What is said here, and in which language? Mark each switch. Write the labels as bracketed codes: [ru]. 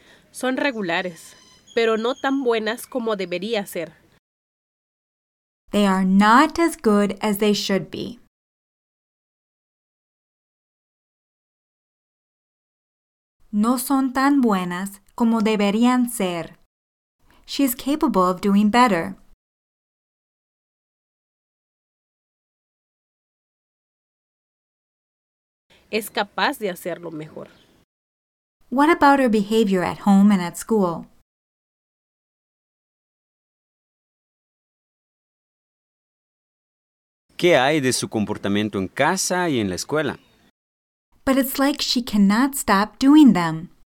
[es] Son regulares, pero no tan buenas como debería ser. [en] They are not as good as they should be. [es] No son tan buenas como deberían ser. [en] She is capable of doing better. [es] Es capaz de hacerlo mejor. [en] What about her behavior at home and at school? [es] ¿Qué hay de su comportamiento en casa y en la escuela? [en] But it's like she cannot stop doing them.